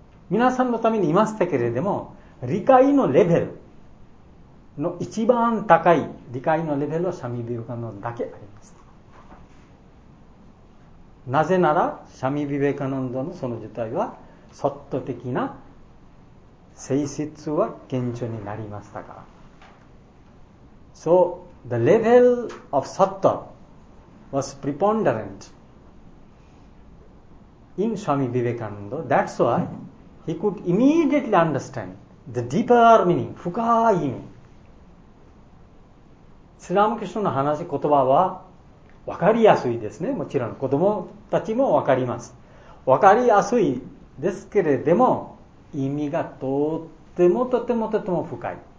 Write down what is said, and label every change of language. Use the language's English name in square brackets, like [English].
[Japanese] 皆さんのためにいましたけれども、理解のレベルの一番高い理解のレベルはシャミビベカノンだけあります。なぜならシャミビベカノンのその状態はソッド的な性質は顕著になりましたから。 [English] So the level of sattva was preponderant in Swami Vivekananda, that's why he could immediately understand the deeper meaning, 深い意味。 [Japanese] スラムクリシュナの話、言葉は分かりやすいですね。もちろん子供たちも分かります。分かりやすいですけれども、意味がとってもとてもとても深い。